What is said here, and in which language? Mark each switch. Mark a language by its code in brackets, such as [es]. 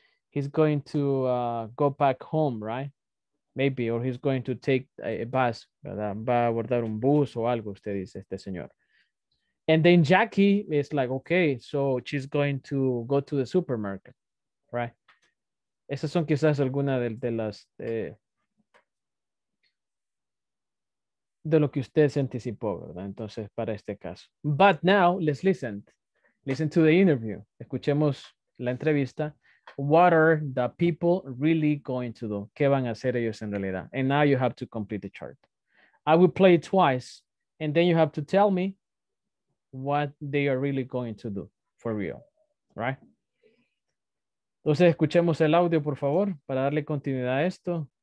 [en] He's going to go back home, right? Maybe, or he's going to take a bus, [es] ¿verdad? Va a abordar un bus o algo, usted dice, este señor. [en] And then Jackie is like, okay, so she's going to go to the supermarket, right? [es] Esas son quizás algunas de las de lo que usted se anticipó, ¿verdad? Entonces, para este caso. [en] But now, let's listen. Listen to the interview. [es] Escuchemos la entrevista. [en] What are the people really going to do? [es] ¿Qué van a hacer ellos en realidad? [en] And now you have to complete the chart. I will play it twice, and then you have to tell me what they are really going to do for real, right? [es] Entonces, escuchemos el audio, por favor, para darle continuidad a esto.